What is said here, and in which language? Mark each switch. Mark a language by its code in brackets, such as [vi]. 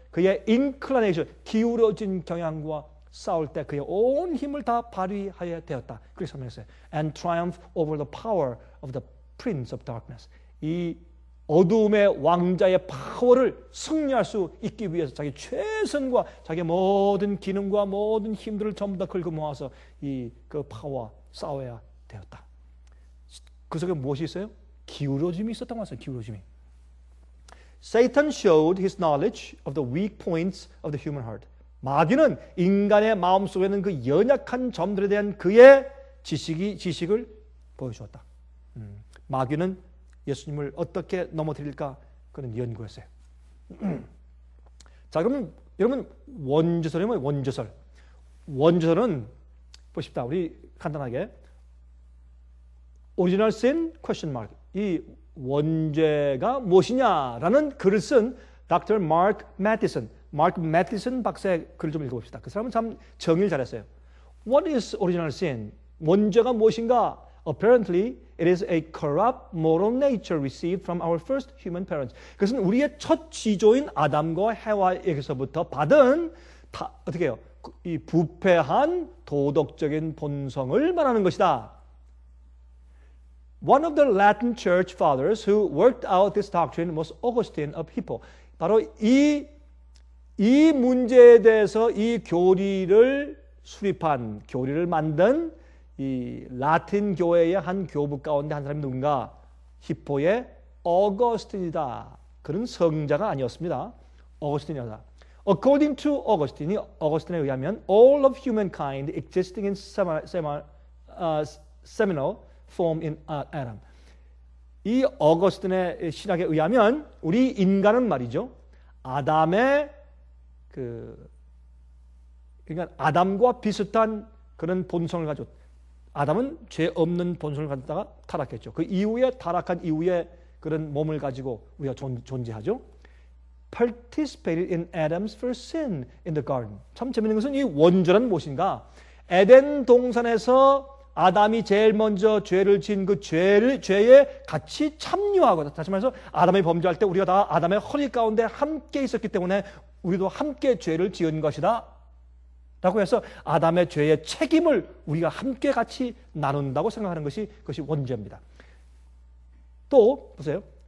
[ko] 그의 인클라네이션, 기울어진 경향과 싸울 때 그의 온 힘을 다 발휘하여야 되었다. 그렇게 설명했어요. [en] And triumph over the power of the prince of darkness. [ko] 이 어둠의 왕자의 파워를 승리할 수 있기 위해서 자기 최선과 자기 모든 기능과 모든 힘들을 전부 다 긁어모아서 이 그 파워와 싸워야 되었다. 그 속에 무엇이 있어요? 기울어짐이 있었던 것 같아요. 기울어짐이. [en] Satan showed his knowledge of the weak points of the human heart. [ko] 마귀는 인간의 마음속에 있는 그 연약한 점들에 대한 그의 지식을 보여주었다. 마귀는 예수님을 어떻게 넘어뜨릴까? 그는 연구했어요. 자, 그럼 여러분 원죄설이 뭐예요? 원죄설. 원죄설은 보십시다. 우리 간단하게 오리지널 sin? 이 원죄가 무엇이냐라는 글을 쓴 닥터 마크 매티슨. 마크 매티슨 박사의 글을 좀 읽어봅시다. 그 사람은 참 정의를 잘했어요. [en] What is original sin? [ko] 원죄가 무엇인가? [en] Apparently, it is a corrupt moral nature received from our first human parents. [ko] 그것은 우리의 첫 지조인 아담과 해와에게서부터 받은 어떻게 해요? 이 부패한 도덕적인 본성을 말하는 것이다. [en] One of the Latin church fathers who worked out this doctrine was Augustine of Hippo. [ko] 바로 이 문제에 대해서 이 교리를 수립한, 교리를 만든 이 라틴 교회의 한 교부 가운데 한 사람이 누군가? 히포의 어거스틴이다. 그는 성자가 아니었습니다. 어거스틴이다. [en] According to Augustine, [ko] 어거스틴에 의하면 [en] all of humankind existing in seminal form in Adam. [ko] 이 어거스틴의 신학에 의하면 우리 인간은 말이죠. 아담의 그러니까 아담과 비슷한 그런 본성을 가지고, 아담은 죄 없는 본성을 가졌다가 타락했죠. 그 이후에 타락한 이후에 그런 몸을 가지고 우리가 존재하죠. [en] Participated in Adam's first sin in the garden. [ko] 참 재밌는 것은 이 원죄란 무엇인가? 에덴 동산에서 아담이 제일 먼저 죄를 지은 그 죄에 같이 참여하고, 다시 말해서 아담이 범죄할 때 우리가 다 아담의 허리 가운데 함께 있었기 때문에 우리도 함께 죄를 지은 것이다 라고 해서 아담의 죄의 책임을 우리가 함께 같이 나눈다고 생각하는 것이 그것이 원죄입니다. 또 보세요.